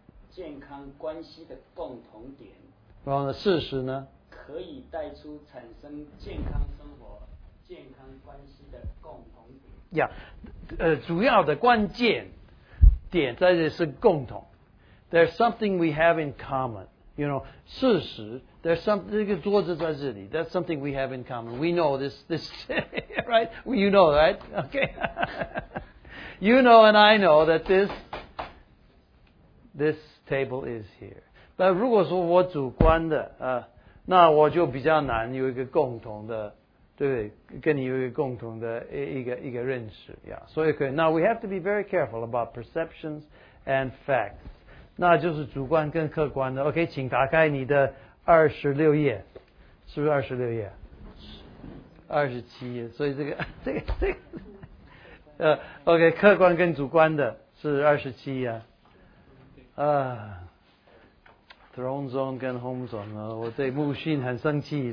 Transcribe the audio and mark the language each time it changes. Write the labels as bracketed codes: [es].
[zh] 健康关系的共同点。然后事实呢？可以带出产生健康生活、健康关系的共同点。呀、主要的关键点在这是共同。 [en] There's something we have in common. You know, [zh] 事实 [en] there's something, [zh] 这个桌子在这里 [en] that's something we have in common. We know this, right? Well, you know, right? Okay. You know and I know that this table is here. [zh] 但如果说我主观的、那我就比较难有一个共同的对不对跟你有一个共同的一个认识。 [en] Yeah. So, okay. Now, we have to be very careful about perceptions and facts. [zh] 那就是主观跟客观的。OK, 请打开你的26页。是不是26页 ?27 页。所以这个。OK, 客观跟主观的是27页。 Throne Zone 跟 Home Zone, 我对牧训很生气。